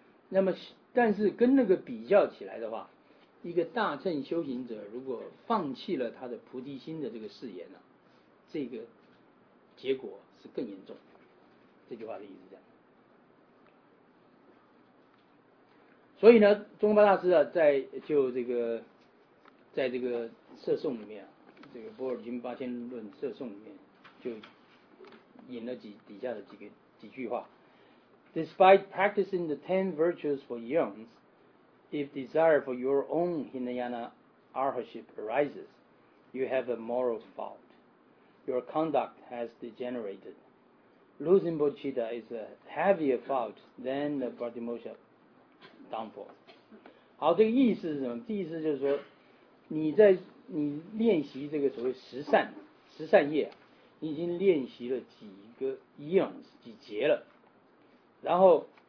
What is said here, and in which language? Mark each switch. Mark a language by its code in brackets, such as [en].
[zh] 那么，但是跟那个比较起来的话，一个大乘修行者如果放弃了他的菩提心的这个誓言呢、啊，这个结果是更严重。这句话的意思是这样。所以呢，中巴大师啊，在这个摄诵里面、啊。这个《波尔经八千论摄颂》里面就引了底下的几句话。 [en] Despite practicing the ten virtues for eons, if desire for your own Hinayana arhatship arises, you have a moral fault. Your conduct has degenerated. Losing bodhicitta is a heavier fault than the Bodhimoksha downfall. [zh] 好，这个意思是什么？意思就是说你练习这个所谓十善业、啊、你已经练习了几个 eons 几劫了，然后